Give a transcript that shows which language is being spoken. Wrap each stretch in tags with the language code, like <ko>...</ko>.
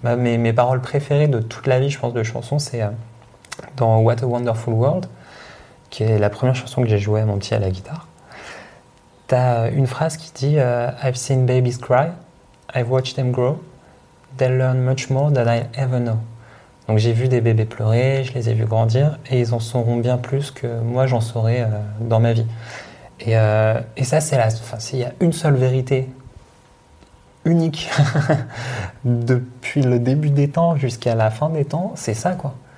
<fr>Bah, mes paroles préférées de toute la vie, je pense, de chansons, c'est dans What a Wonderful World, qui est la première chanson que j'ai jouée à mon petit à la guitare. T'as une phrase qui dit</fr> <en>I've seen babies cry, I've watched them grow, they learn much more than I ever know.</en> <fr>Donc j'ai vu des bébés pleurer, je les ai vus grandir, et ils en sauront bien plus que moi j'en saurais dans ma vie. Et ça, c'est la. Enfin, s'il y a une seule vérité unique depuis le début des temps jusqu'à la fin des temps, c'est ça, quoi.</fr>